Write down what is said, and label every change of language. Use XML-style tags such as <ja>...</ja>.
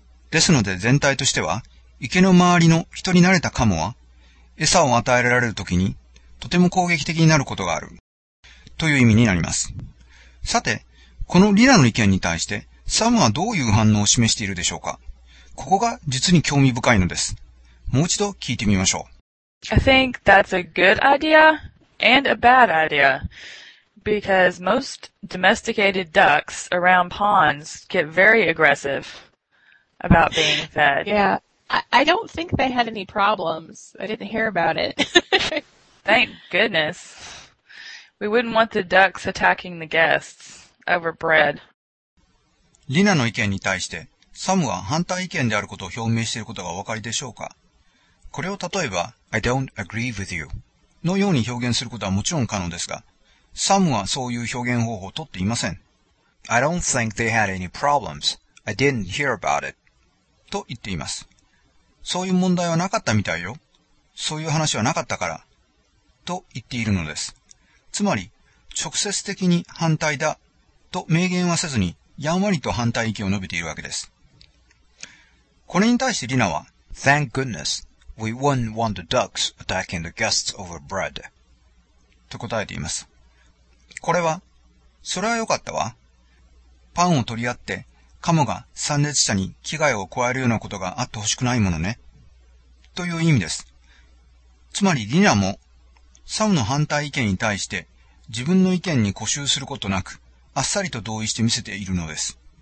<ja>ですので全体としては、池の周りの人に慣れたカモは、餌を与えられるときに、とても攻撃的になることがある。という意味になります。さて、このリナの意見に対して、サムはどういう反応を示しているでしょうか。ここが実に興味深いのです。もう一度聞いてみましょう。</ja> <en>I think that's a good idea and a bad idea. Because most domesticated ducks around ponds get very aggressive about being fed. Yeah, I don't think they had any problems. I didn't hear about it. Thank goodness. We wouldn't want the ducks attacking the guests over bread.</en> <ja>リナの意見に対して、サムは反対意見であることを表明していることがお分かりでしょうか。これを例えば、</ja> <en>I don't agree with you</en> <ja>のように表現することはもちろん可能ですが、サムはそういう表現方法をとっていません。</ja> <en>I don't think they had any problems. I didn't hear about it.</en> <ja>と言っています。そういう問題はなかったみたいよ。そういう話はなかったから。と言っているのです。つまり、直接的に反対だと明言はせずに、やんわりと反対意見を述べているわけです。これに対してリナは、</ja> <en>Thank goodness we wouldn't want the ducks attacking the guests over bread.</en> <ja>と答えています。これは、それは良かったわ。パンを取り合って、カモが参列者に危害を加えるようなことがあってほしくないものね。という意味です。つまりリナも、サムの反対意見に対して、自分の意見に固執することなく、あっさりと同意してみせているのです。</ja>